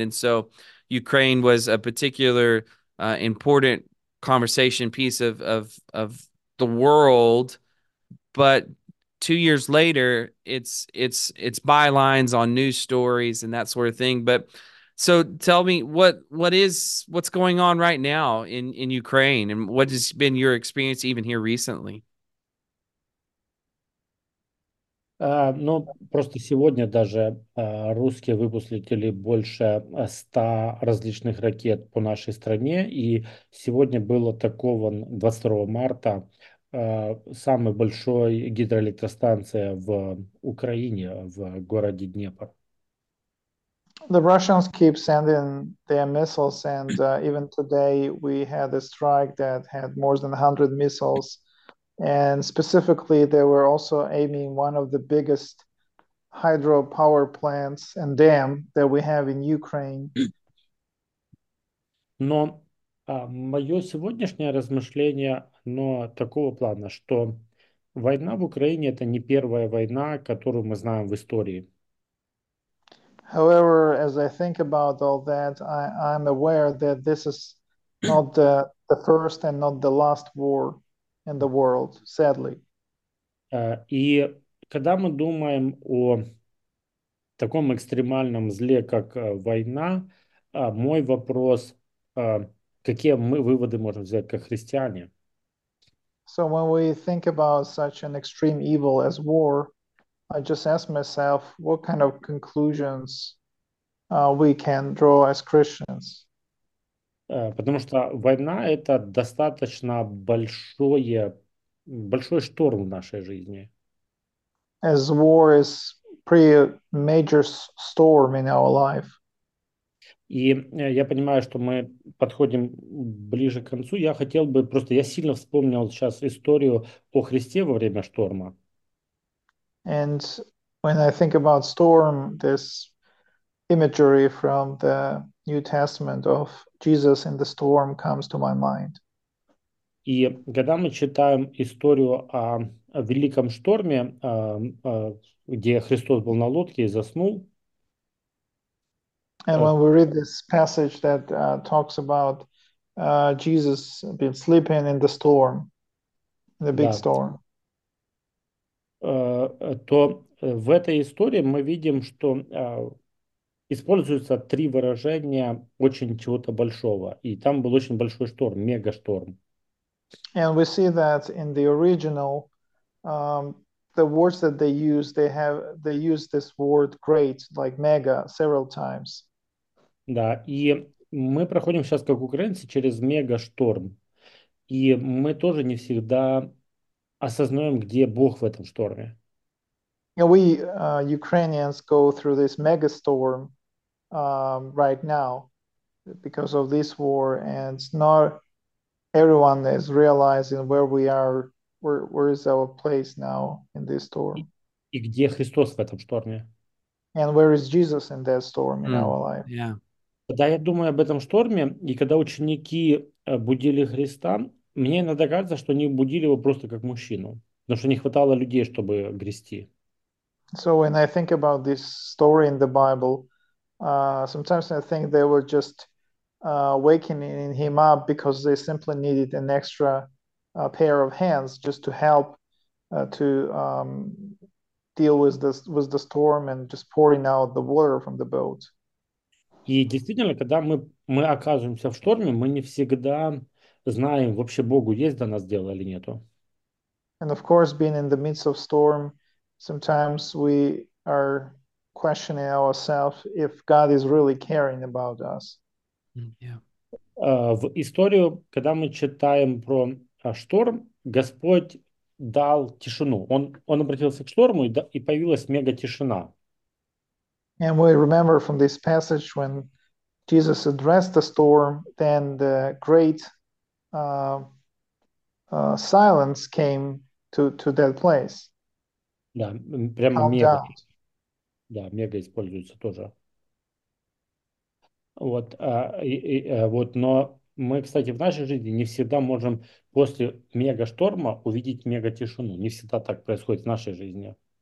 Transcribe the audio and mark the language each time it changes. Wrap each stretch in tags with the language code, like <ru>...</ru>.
<en>And so Ukraine was a particular important conversation piece of the world, but 2 years later it's bylines on news stories and that sort of thing. But so tell me what's going on right now in Ukraine and what has been your experience even here recently?</en> <ru>Ну, просто сегодня даже русские выпустили больше 100 различных ракет по нашей стране. И сегодня был атакован 22 марта самой большой гидроэлектростанция в Украине, в городе Днепр.</ru> <en>The Russians keep sending their missiles, and even today we had a strike that had more than 100 missiles. And specifically, they were also aiming one of the biggest hydropower plants and dam that we have in Ukraine.</en> <ru>Но мое сегодняшнее размышление, оно такого плана, что война в Украине это не первая война, которую мы знаем в истории.</ru> <en>However, as I think about all that, I'm aware that this is not the first and not the last war in the world, sadly.</en> <ru>И когда мы думаем о таком экстремальном зле, как война, мой вопрос. Какие мы выводы можем взять как христиане?</ru> <en>So when we think about such an extreme evil as war, I just ask myself what kind of conclusions we can draw as Christians.</en> <ru>Потому что война это достаточно большой шторм в нашей жизни.</ru> <en>As war is pretty major storm in our life.</en> <ru>И я понимаю, что мы подходим ближе к концу. Я хотел бы просто, я сильно вспомнил сейчас историю о Христе во время шторма.</ru> <en>And when I think about storm, this imagery from the New Testament of Jesus in the storm comes to my mind.</en> <ru>И когда мы читаем историю о великом шторме, где Христос был на лодке и заснул.</ru> <en>And when we read this passage that talks about Jesus been sleeping in the storm, the big storm.</en> <ru>То в этой истории мы видим, что используются три выражения очень чего-то большого. И там был очень большой шторм, мегашторм.</ru> <en>And we see that in the original, the words that they use this word great, like mega, several times.</en> <ru>Да, и мы проходим сейчас, как украинцы, через мегашторм. И мы тоже не всегда осознаем, где Бог в этом шторме.</ru> <en>We Ukrainians go through this mega storm right now because of this war, and not everyone is realizing where we are, where is our place now in this storm,</en> <ru>И где Христос в этом шторме?</ru> <en>and where is Jesus in that storm in our life.</en> <ru>Когда я думаю об этом шторме, и когда ученики будили Христа, мне иногда кажется, что они будили его просто как мужчину, потому что не хватало людей, чтобы грести.</ru> <en>So when I think about this story in the Bible, sometimes I think they were just wakening him up because they simply needed an extra pair of hands just to help to deal with this with the storm and just pouring out the water from the boat.</en> <ru>И действительно, когда мы оказываемся в шторме, мы не всегда знаем, вообще Богу есть до нас дело или нету.</ru> <en>And of course, being in the midst of storm, sometimes we are questioning ourselves if God is really caring about us.</en> <ru>В историю, когда мы читаем про шторм, Господь дал тишину. Он обратился к шторму, и появилась мега-тишина.</ru> <en>And we remember from this passage when Jesus addressed the storm, then the great silence came to that place.</en> <ru>Да, прямо</ru> <en>Calm</en> <ru>мега.</ru> <en>down.</en> <ru>Да, мега используется тоже. Вот, вот, но мы, кстати, в нашей жизни не всегда можем после мега шторма увидеть мега тишину. Не всегда так происходит в нашей жизни.</ru>